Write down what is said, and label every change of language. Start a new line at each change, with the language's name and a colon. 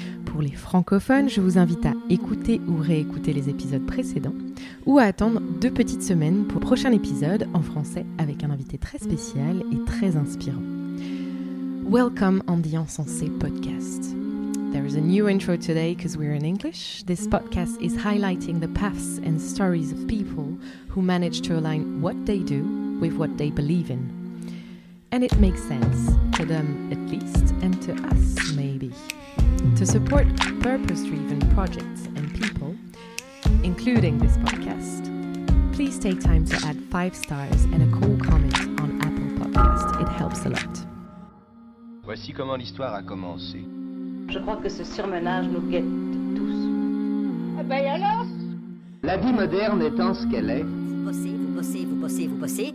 French: Pour les francophones, je vous invite à écouter ou réécouter les épisodes précédents ou à attendre deux petites semaines pour le prochain épisode en français avec un invité très spécial et très inspirant.
English: Welcome on the Insensé podcast. There is a new intro today because we're in English. This podcast is highlighting the paths and stories of people who manage to align what they do with what they believe in. And it makes sense, to them at least, and to us maybe. To support purpose-driven projects and people, including this podcast, please take time to add 5 stars and a cool comment on Apple Podcast. It helps a lot.
French: Voici comment l'histoire a commencé. Je crois que ce surmenage nous guette tous. Eh ben alors ? La vie moderne étant ce qu'elle est. Vous bossez, vous bossez, vous bossez, vous bossez.